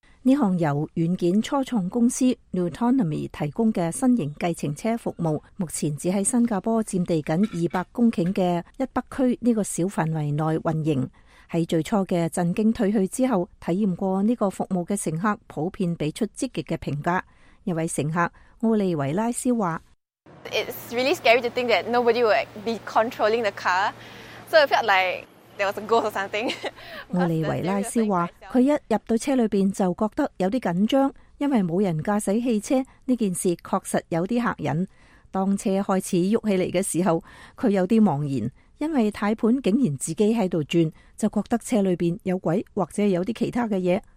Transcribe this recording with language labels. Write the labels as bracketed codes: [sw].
[zh] 这项由软件初创公司 Nutonomy 提供的新型计程车服务，目前只在新加坡占地仅200公顷的一北区这个小范围内运营。在最初的震惊退去之后，体验过这个服务的乘客普遍给出积极的评价。一位乘客奥利维拉斯说， [en] It's really scary to think that nobody would be controlling the car. So it felt like There was a ghost or something. [zh] 奥利维拉斯说，他一入到车里面就觉得有点紧张，因为没有人驾驶汽车，这件事确实有点吓人。当车开始动起来的时候，他有点茫然，因为踏盘竟然自己在那里转，就觉得车里面有鬼或者有点其他的东西。